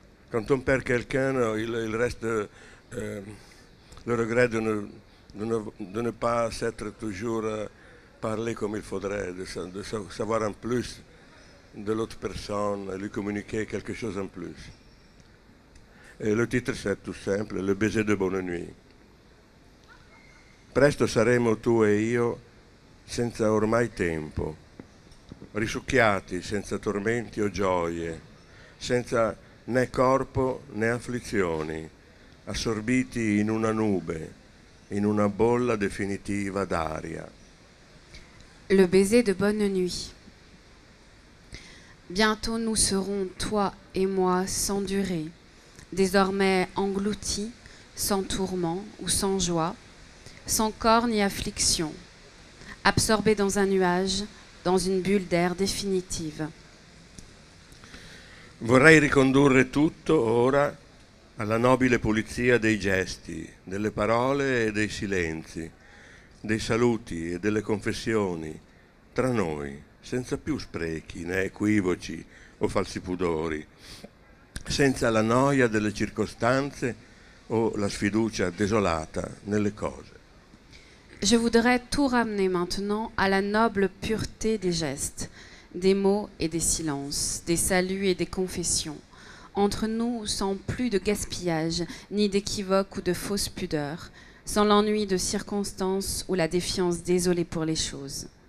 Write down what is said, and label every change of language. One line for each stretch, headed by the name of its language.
French: Quand on perd quelqu'un, il reste le regret de ne pas s'être toujours parlé comme il faudrait, de savoir un plus de l'autre personne, lui communiquer quelque chose en plus. Et le titre, c'est tout simple, Le baiser de bonne nuit.
Italian: Presto saremo tu e io senza ormai tempo, risucchiati senza tormenti o gioie, senza né corpo né afflizioni, assorbiti in una nube, in una bolla definitiva d'aria.
French: Le baiser de bonne nuit. Bientôt nous serons, toi et moi, sans durée, désormais engloutis, sans tourment ou sans joie, sans corps ni affliction, absorbés dans un nuage, dans une bulle d'air définitive.
Italian: Vorrei ricondurre tutto ora alla nobile pulizia dei gesti, delle parole e dei silenzi, dei saluti e delle confessioni, tra noi, senza più sprechi né equivoci o falsi pudori, senza la noia delle circostanze o la sfiducia desolata nelle cose.
French: Je voudrais tout ramener maintenant à la noble pureté des gestes, des mots et des silences, des saluts et des confessions, entre nous sans plus de gaspillage, ni d'équivoque ou de fausse pudeur, sans l'ennui de circonstances ou la défiance désolée pour les choses.